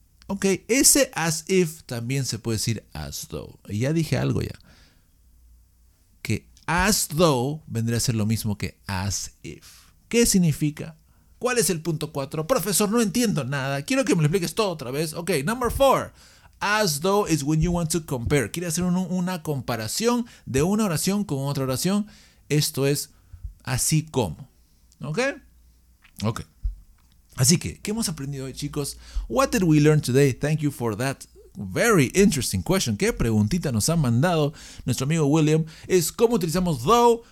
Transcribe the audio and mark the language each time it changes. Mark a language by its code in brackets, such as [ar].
[es] Ok, ese as if también se puede decir as though. Ya dije algo ya. Que as though vendría a ser lo mismo que as if. ¿Qué significa? ¿Cuál es el punto 4? Profesor, no entiendo nada. Quiero que me lo expliques todo otra vez. [en] Ok, number 4. As though is when you want to compare. [es] Quiere hacer una comparación de una oración con otra oración. Esto es así como. Ok. Ok. Así que, ¿qué hemos aprendido hoy, chicos? [en] What did we learn today? Thank you for that very interesting question. [es] ¿Qué preguntita nos ha mandado nuestro amigo William? Es cómo utilizamos though.